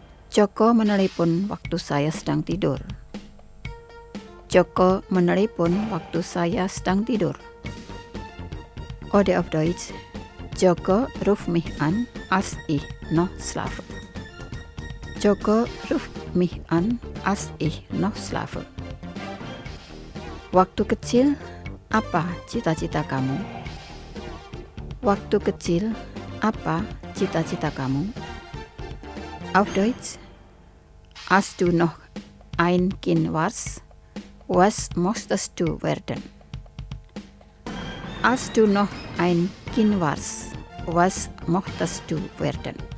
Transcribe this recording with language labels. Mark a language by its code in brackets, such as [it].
[id] Joko menelepon waktu saya sedang tidur. Joko menelepon waktu saya sedang tidur. [de] Oder auf Deutsch, Joko ruft mich an, als ich noch schlafe. Joko ruft mich an, als ich noch schlafe. [id] Waktu kecil, apa cita-cita kamu? Waktu kecil, apa cita-cita kamu? [de] Auf Deutsch, als du noch ein Kind warst, was möchtest du werden? Als du noch ein Kind warst, was möchtest du werden?